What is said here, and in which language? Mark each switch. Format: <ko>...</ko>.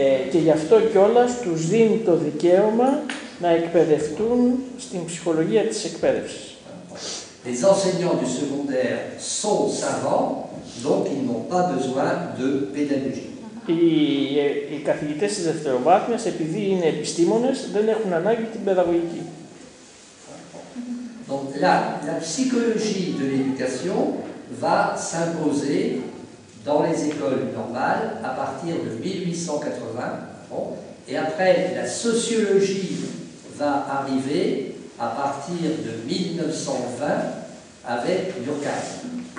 <el>Και γι' αυτό κιόλας τους δίνει το δικαίωμα να εκπαιδευτούν στην ψυχολογία της εκπαίδευσης.</el> <fr>Les enseignants du secondaire sont savants. Donc, ils n'ont pas besoin de pédagogie.</fr> <el>Οι καθηγητές της δευτεροβάθμιας, επειδή είναι επιστήμονες, δεν έχουν ανάγκη την παιδαγωγική.</el> <fr>Donc, la psychologie de l'éducation va s'imposer dans les écoles normales à partir de 1880. Et après, la sociologie va arriver à partir de 1920 avec Durkheim.</fr>